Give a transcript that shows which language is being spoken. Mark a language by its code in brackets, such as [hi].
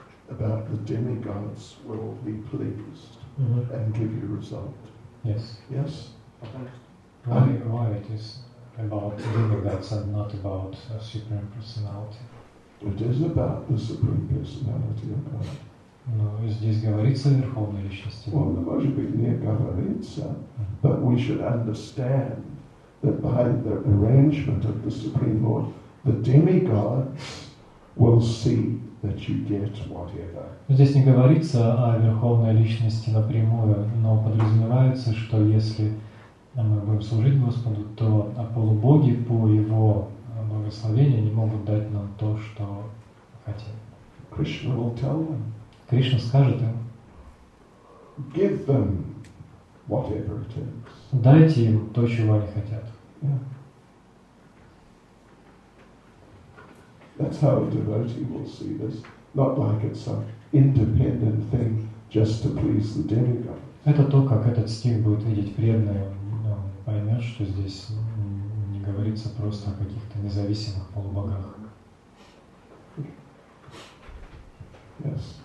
[en] About the demigods will be pleased and give you result. Yes. Why it is about demigods and not about a supreme personality? It is about the supreme personality of God. [ru] Но здесь говорится о верховной личности. [en] Well, [ru] может быть, не говорится, [en] but we should understand that by the arrangement of the Supreme Lord, the demigods will see that you get whatever. [ru] Здесь не говорится о верховной личности напрямую, но подразумевается, что если мы будем служить Господу, то полубоги по его благословению не могут дать нам то, что хотим. [en] Krishna will tell them. [ru] Кришна скажет им: [en] give them whatever it takes. [ru] Дайте им то, чего они хотят. [en] That's how a devotee will see this, not like it's some independent thing just to please the demigod. [ru] Это то, как этот стих будет видеть преданный, он поймет, что здесь не говорится просто о каких-то независимых полубогах. [en] Yes.